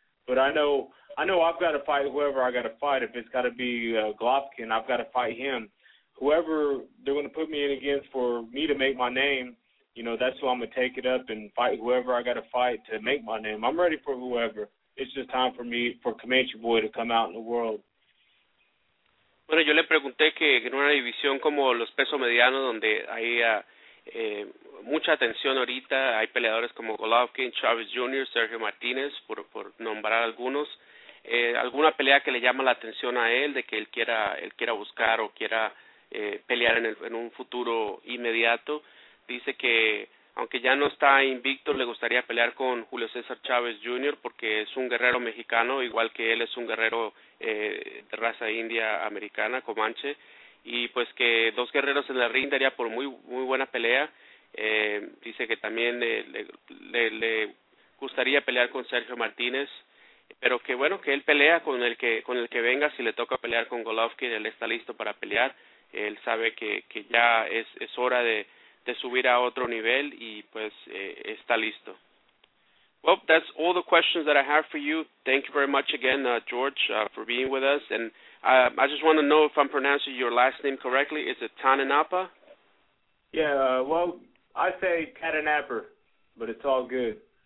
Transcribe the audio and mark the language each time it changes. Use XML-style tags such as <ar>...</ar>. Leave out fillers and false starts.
<en>But I know I've got to fight whoever I got to fight. If it's got to be Golovkin, I've got to fight him. Whoever they're going to put me in against for me to make my name, you know, that's who I'm going to take it up and fight whoever I got to fight to make my name. I'm ready for whoever. It's just time for me, for Comanche Boy to come out in the world.</en> <es>Bueno, yo le pregunté que en una división como los pesos medianos, donde hay mucha atención ahorita, hay peleadores como Golovkin, Chavez Jr., Sergio Martinez, por nombrar algunos, alguna pelea que le llama la atención a él, de que él quiera buscar o quiera pelear en un futuro inmediato. Dice que aunque ya no está invicto, le gustaría pelear con Julio César Chávez Jr. porque es un guerrero mexicano, igual que él es un guerrero de raza india americana, Comanche, y pues que dos guerreros en la ring daría por muy muy buena pelea. Dice que también le gustaría pelear con Sergio Martínez, pero que bueno, que él pelea con el que venga. Si le toca pelear con Golovkin, él está listo para pelear. Él sabe que ya es hora de subir a otro nivel y pues está listo.</es> <en>Well, that's all the questions that I have for you. Thank you very much again, George, for being with us. And I just want to know if I'm pronouncing your last name correctly. Is it Tananapa? Yeah, well, I say Tananapper, but it's all good.</en>